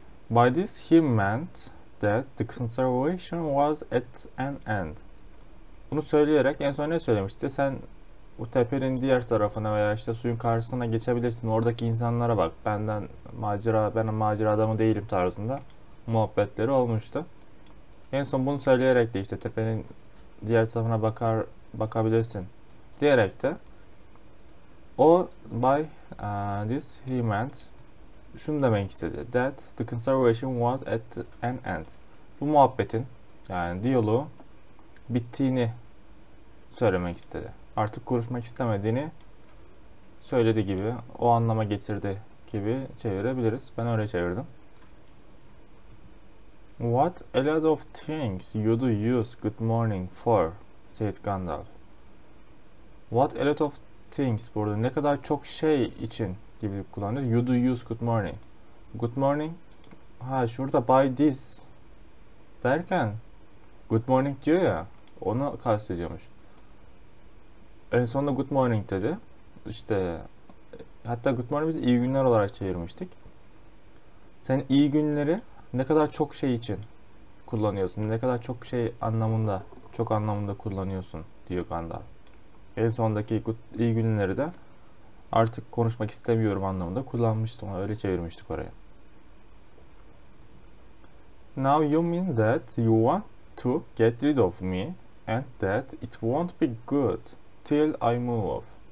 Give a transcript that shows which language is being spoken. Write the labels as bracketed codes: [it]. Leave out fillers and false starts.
[en] By this he meant that the conservation was at an end. [tr] Bunu söyleyerek en son ne söylemişti? Sen bu tepenin diğer tarafına veya işte suyun karşısına geçebilirsin. Oradaki insanlara bak. Ben macera adamı değilim tarzında muhabbetleri olmuştu. En son bunu söyleyerek de işte tepenin diğer tarafına bakabilirsin diyerek de o [en] by this he meant [tr] şunu demek istedi. [en] That the conservation was at an end. [tr] Bu muhabbetin yani diyaloğu bittiğini söylemek istedi. Artık konuşmak istemediğini söyledi gibi, o anlama getirdi gibi çevirebiliriz. Ben öyle çevirdim. [en] What a lot of things you do use good morning for, said Gandalf. What a lot of things, [tr] burada ne kadar çok şey için gibi kullanıyor. [en] You do use good morning. Good morning, [tr] ha şurada [en] by this [tr] derken good morning diyor ya, onu kastediyormuş. En sonunda good morning dedi. İşte hatta good morning biz iyi günler olarak çevirmiştik. Sen iyi günleri ne kadar çok şey için kullanıyorsun? Ne kadar çok şey anlamında, çok anlamında kullanıyorsun diyor Gandalf. En sondaki iyi günleri de artık konuşmak istemiyorum anlamında kullanmıştım. Öyle çevirmiştik oraya. [en] Now you mean that you want to get rid of me and that it won't be good till I move off.